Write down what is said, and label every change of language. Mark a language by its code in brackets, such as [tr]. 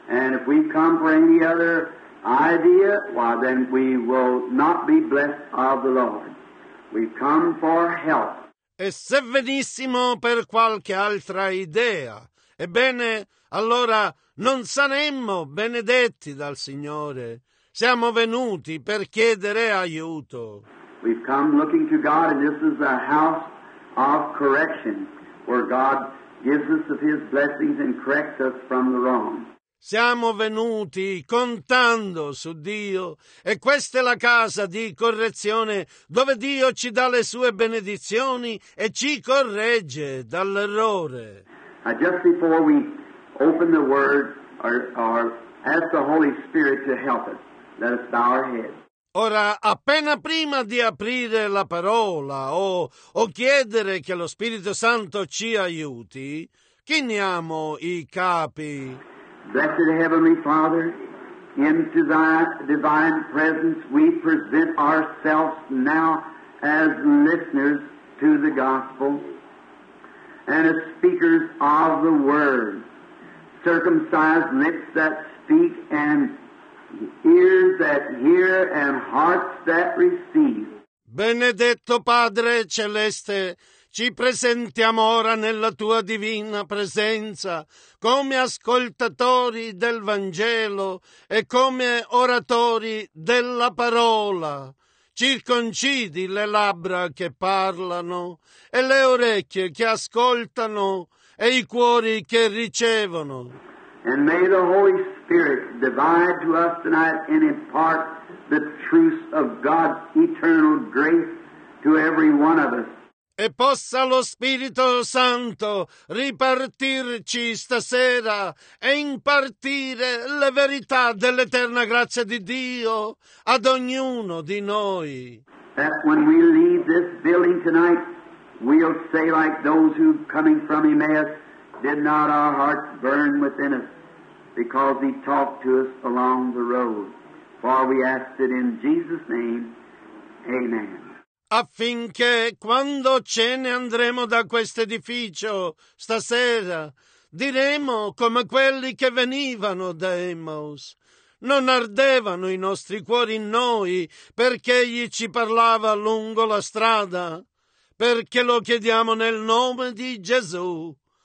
[en] And if we come for any other idea, well, then we will not be blessed of the Lord. We come for help. [it] E se venissimo per qualche altra idea, ebbene, allora non saremmo benedetti dal Signore. Siamo venuti per chiedere aiuto. [en] We've come looking to God, and this is a house of correction, where God gives us of His blessings and corrects us from the wrong. [it] Siamo venuti contando su Dio e questa è la casa di correzione dove Dio ci dà le sue benedizioni e ci corregge dall'errore. [en] Just before we open the word or ask the Holy Spirit to help us, let us bow our heads. [it] Ora, appena prima di aprire la parola o chiedere che lo Spirito Santo ci aiuti, chiniamo i capi. [en] Blessed Heavenly Father, into Thy divine presence we present ourselves now as listeners to the gospel and as speakers of the word, circumcised lips that speak and ears that hear and hearts that receive. [it] Benedetto Padre Celeste, ci presentiamo ora nella tua divina presenza come ascoltatori del Vangelo e come oratori della parola. Circoncidi le labbra che parlano e le orecchie che ascoltano e i cuori che ricevono. [en] And may the Holy Spirit divide to us tonight and impart the truth of God's eternal grace to every one of us. [it] E possa lo Spirito Santo ripartirci stasera e impartire le verità dell'eterna grazia di Dio ad ognuno di noi. [en] That when we leave this building tonight, we'll say like those who coming from Emmaus, did not our hearts burn within us because he talked to us along the road. For we ask it in Jesus' name. Amen. [it] Affinché quando ce ne andremo da questo edificio stasera, diremo come quelli che venivano da Emmaus. Non ardevano i nostri cuori in noi perché egli ci parlava lungo la strada, perché lo chiediamo nel nome di Gesù.